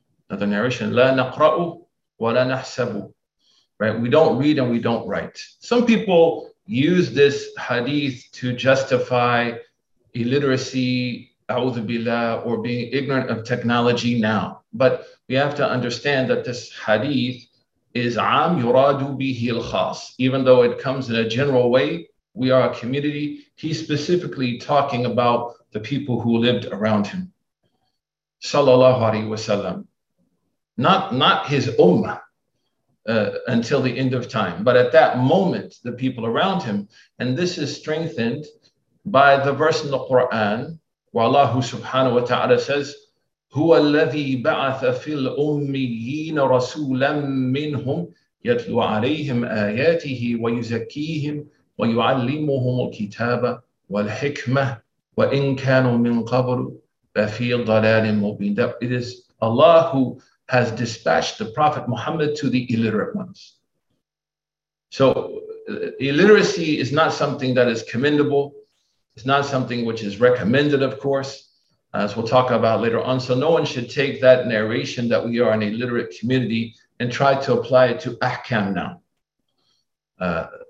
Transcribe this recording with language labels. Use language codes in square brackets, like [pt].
[ar] Another narration: لا نقرأ ولا نحسب. [en] Right? We don't read and we don't write. Some people use this hadith to justify illiteracy, a'udhu billah, or being ignorant of technology now. But we have to understand that this hadith is am yuradu bihi al-khas. Even though it comes in a general way, we are a community. He's specifically talking about the people who lived around him, sallallahu alayhi wa sallam. Not his ummah until the end of time, but at that moment, the people around him. And this is strengthened by the verse in the Quran, where Allah subhanahu wa ta'ala says, [ar] هو الذي بعث في الأميين رسولا منهم يتلو عليهم آياته ويزكيهم ويعلمهم الكتاب والحكمة وإن كانوا من قبل ففي ضلال مبين. [en] It is Allah who has dispatched the Prophet Muhammad to the illiterate ones. So illiteracy is not something that is commendable. It's not something which is recommended, of course, as we'll talk about later on. So no one should take that narration that we are an illiterate community and try to apply it to Ahkam now.